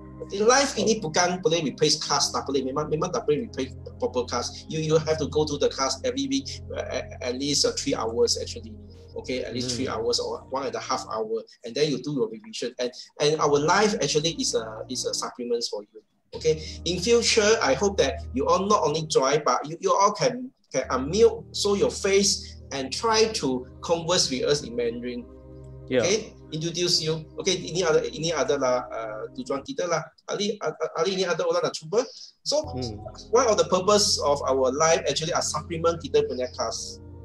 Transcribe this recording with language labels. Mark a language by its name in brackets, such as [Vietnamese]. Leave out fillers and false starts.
[Malay] In live ini bukan boleh replace class, tak boleh, memang tak boleh [English] replace proper class. You have to go to the class every week at least 3 hours actually. Okay, at least 3 hours or 1.5 hour, and then you do your revision. And our live actually is a supplements for you. Okay, in future I hope that you all not only join but you all can unmute so your face and try to converse with us in Mandarin. Yeah. Okay, introduce you. [Malay] Okay, ini adalah tujuan kita lah. Ali ini ada orang nak cuba. [English] So one of the purpose of our live actually are supplement [Malay] kita punya [English] class.